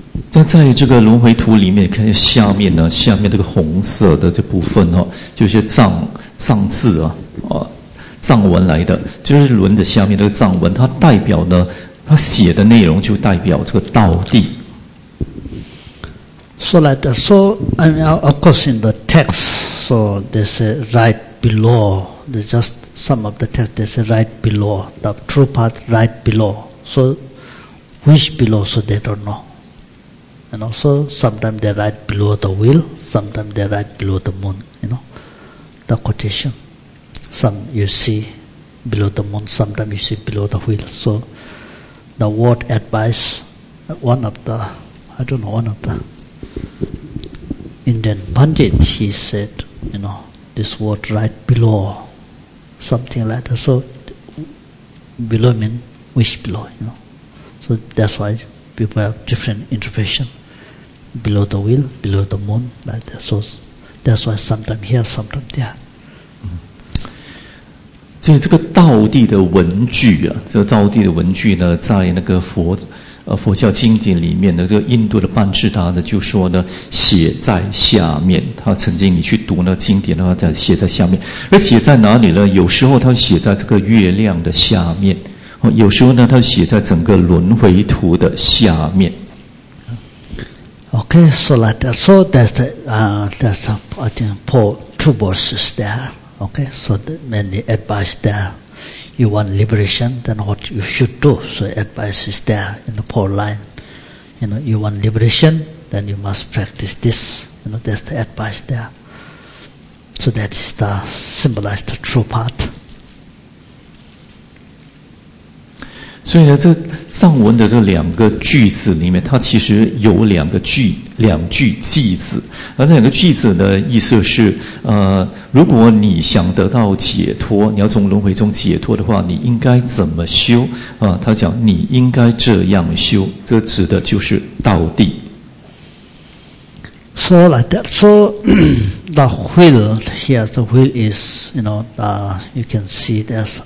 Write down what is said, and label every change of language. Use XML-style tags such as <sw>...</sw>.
<zh>但在这个轮回图里面，看下面呢，下面这个红色的这部分哦，就是藏字啊，藏文来的，就是轮的下面这个藏文，它代表呢，它写的内容就代表这个道地。</zh> <en>So like that. So I mean, of course, in the text. So they say right below, there's just some of the text, they say right below, the true path right below. So which below, so they don't know. And also sometimes they write below the wheel, sometimes they write below the moon, you know, the quotation. Some you see below the moon, sometimes you see below the wheel. So the word advice, one of the Indian Pandit, he said,You know, this word right below, something like that. So, below means which below, you know. So, that's why people have different interpretation. Below the wheel, below the moon, like that. So, that's why sometimes here, sometimes there.</en> <zh>所以这个道地的文句啊，这个道地的文句呢，在那个佛教经典里面的这个印度的班智达呢，就说呢写在下面。他曾经你去读那经典的话，写在下面。而写在哪里呢？有时候他写在这个月亮的下面，有时候呢，它写在整个轮回图的下面。</zh> <en>Okay, so like that. So that's I think Paul, two verses there. Okay, so the many advice there. You want liberation, then what you should do. So advice is there in the Paul line. You know, you want liberation, then you must practice this. You know, that's the advice there. So that is the symbolize the true path.</en> <zh>所以呢，这藏文的这两个句子里面，它其实有两句句子。而那两个句子的意思是，如果你想得到解脱，你要从轮回中解脱的话，你应该怎么修？他讲你应该这样修，这指的就是道地。</zh> <en>So like that. So the wheel here, the wheel is, you know, you can see this.</en>